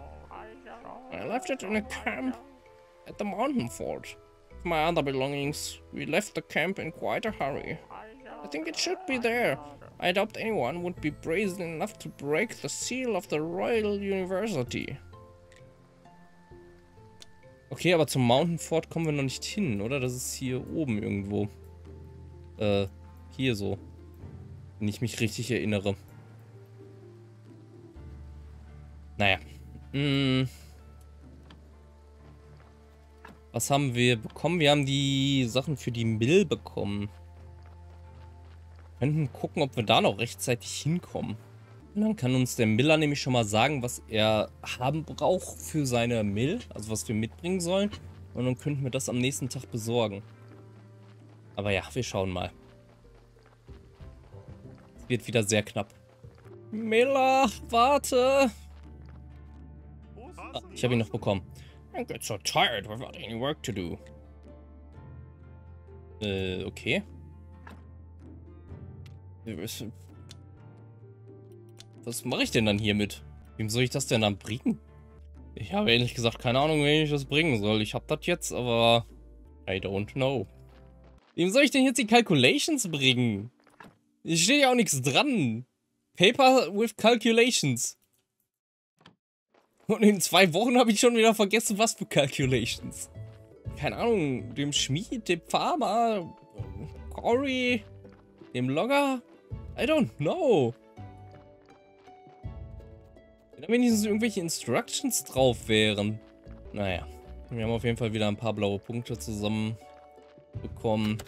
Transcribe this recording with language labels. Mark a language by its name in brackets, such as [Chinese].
[English] I left it in a camp at the mountain fort. With my other belongings, we left the camp in quite a hurry. I think it should be there. I doubt anyone would be brazen enough to break the seal of the Royal University. [German] Okay, aber zum Mountain Fort kommen wir noch nicht hin, oder? Das ist hier oben irgendwo. Hier so. Wenn ich mich richtig erinnere. Naja. Was haben wir bekommen? Wir haben die Sachen für die Mill bekommen. Wir könnten gucken, ob wir da noch rechtzeitig hinkommen. Und dann kann uns der Miller nämlich schon mal sagen, was er haben braucht für seine Mill. Also was wir mitbringen sollen. Und dann könnten wir das am nächsten Tag besorgen. Aber ja, wir schauen mal. Es wird wieder sehr knapp. Miller, warte! Ah, ich habe ihn noch bekommen. [English] I get so tired without any work to do. Okay. [German] Was mache ich denn dann hiermit? Wem soll ich das denn dann bringen? Ich habe ehrlich gesagt keine Ahnung, wen ich das bringen soll. Ich habe das jetzt, aber... [English] I don't know. [German] Wem soll ich denn jetzt die Calculations bringen? Hier steht ja auch nichts dran. [English] Paper with Calculations. [German] Und in 2 Wochen habe ich schon wieder vergessen, was für Calculations. Keine Ahnung, dem Schmied, dem Farmer, Cory, dem Logger. [English] I don't know. [German] Wenn da wenigstens irgendwelche Instructions drauf wären. Naja, wir haben auf jeden Fall wieder ein paar blaue Punkte zusammen bekommen.